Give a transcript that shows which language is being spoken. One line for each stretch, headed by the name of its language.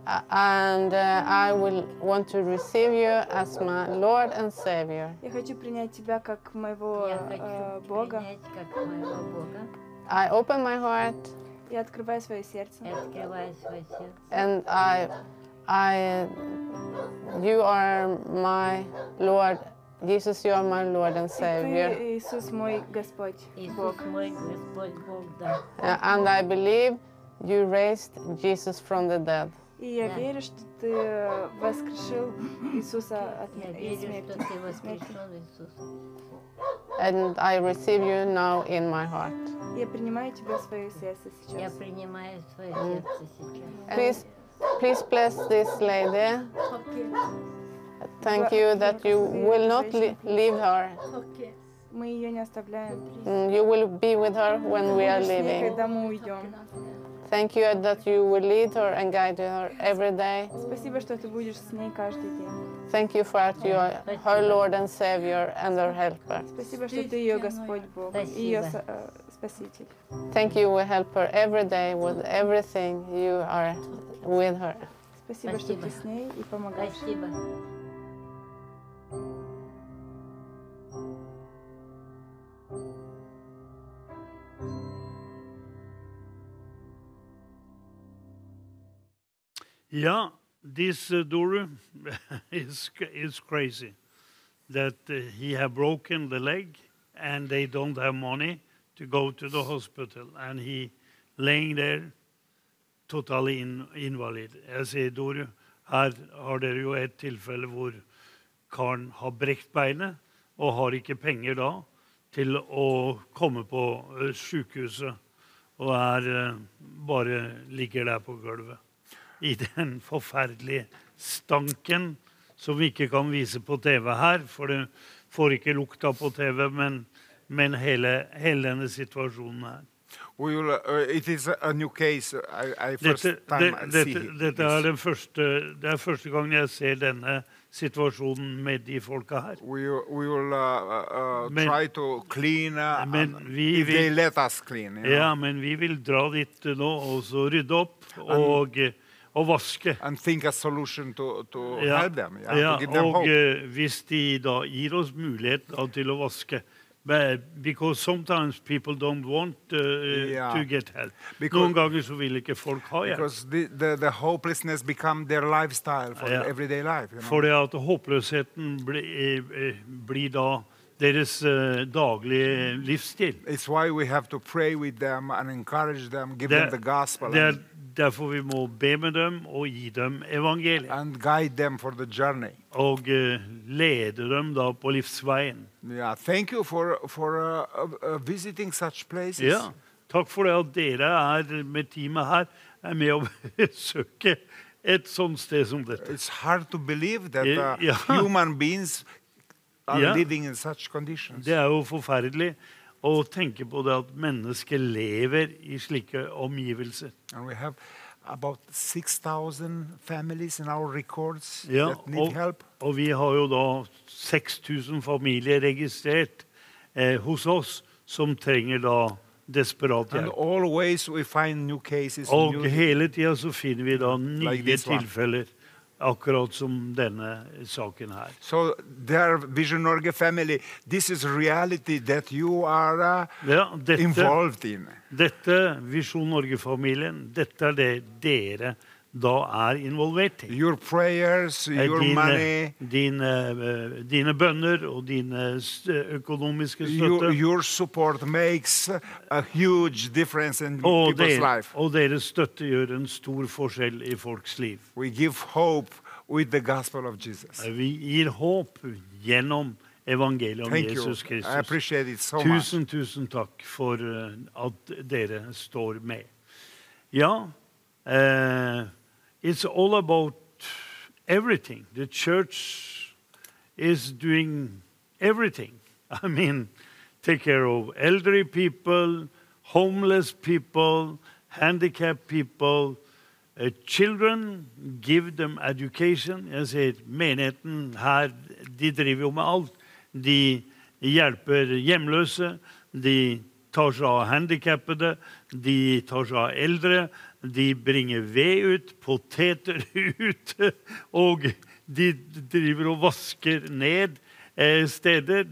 English: And I will want to receive you as my Lord and Savior.
Russian: Я хочу принять тебя как моего Бога.
English: I open my heart.
Russian: Я открываю свое сердце.
English: And I you are my Lord. Jesus, you are my Lord and Savior.
Russian: Иисус мой Господь. Бог мой, Господь Бог, да.
English: And I believe you raised Jesus from the dead.
Russian: И я верю, что ты воскрешил Иисуса от мертвых.
English: And I receive you now in my heart.
Russian: Я принимаю тебя в своё сердце сейчас. Я принимаю своё сердце сейчас.
English: Please bless this lady. Okay. Thank you that you will not leave her.
Russian: Мы её не оставляем.
English: You will be with her when we are leaving.
Russian: Когда мы уйдём.
English: Thank you that you will lead her and guide her every day.
Russian: Спасибо, что ты будешь с ней каждый день.
English: Thank you for that you are her Lord and Savior and her helper.
Russian: Спасибо, что ты её Господь Бог и её спаситель.
English: Thank you will help her every day with everything you are with her.
Russian: Спасибо, что ты с ней и помогаешь. Спасибо.
English: Ja, this Doru is crazy that he have broken the leg and they don't have money to go to the hospital and he laying there totally invalid.
Norwegian: Jeg sier, Doru, her har dere jo et tilfelle hvor karen har brekt beinet og har ikke penger da til å komme på sykehuset og er bare ligger der på gulvet. I den forferdelige stanken som vi ikke kan vise på TV her, for det får ikke lukta på TV, men hele denne situasjonen her.
English: It is a new case.
Norwegian: Det er første gang jeg ser denne situasjonen med de folka her.
English: We will try to clean, and if they let us clean. You know?
Norwegian: Ja, men vi vil dra dit nå og så rydde opp, og og vaske.
English: And think a solution to help them. Yeah,
Norwegian: ja,
English: to give them
Norwegian: og
English: hope.
Norwegian: Hvis de da gir oss mulighet da, til å vaske.
English: But, because sometimes people don't want to get help. Because,
Norwegian: noen ganger så vil ikke folk ha hjelp.
English: Because the hopelessness become their lifestyle for their everyday life. You know?
Norwegian: Fordi at håpløsheten blir da deres daglige livsstil.
English: It's why we have to pray with them and encourage them, give them the gospel.
Norwegian: Derfor vi må be med dem og gi dem evangeliet.
English: And guide them for the journey.
Norwegian: Og lede dem da på livsveien.
English: Yeah, thank you for visiting such places.
Norwegian: Ja, takk for det at dere er med teamet her, med å besøke et sånt sted som dette.
English: It's hard to believe that human beings are living in such conditions.
Norwegian: Det er jo forferdelig. Og tenke på det at mennesket lever I slike omgivelser.
English: And we have about 6,000 families in our records that need help.
Norwegian: Og vi har jo da 6,000 familier registrert hos oss som trenger da desperat hjelp.
English: And always we find new cases.
Norwegian: Og hele tiden så finner vi da nye tilfeller. Akkurat som denne saken her.
English: So, dear Vision Norge family, this is reality that you are involved in.
Norwegian: Dette, Vision Norge-familien, dette det dere da involvert I.
English: Your prayers, your money.
Norwegian: Dine bønner og dine økonomiske støtte.
English: Your support makes a huge difference in people's life.
Norwegian: Og deres støtte gjør en stor forskjell I folks liv.
English: We give hope with the gospel of Jesus.
Norwegian: Vi gir håp gjennom evangeliet om Jesus Kristus.
English: I appreciate it so much.
Norwegian: Tusen takk for at dere står med.
English: Ja, it's all about everything. The church is doing everything. I mean, take care of elderly people, homeless people, handicapped people, children, give them education.
Norwegian: Jeg sier, menigheten her, de driver jo med alt. De hjelper hjemløse, de tar seg av handikappede, de tar seg av eldre, de bringer ved ut, poteter ut, og de driver og vasker ned steder.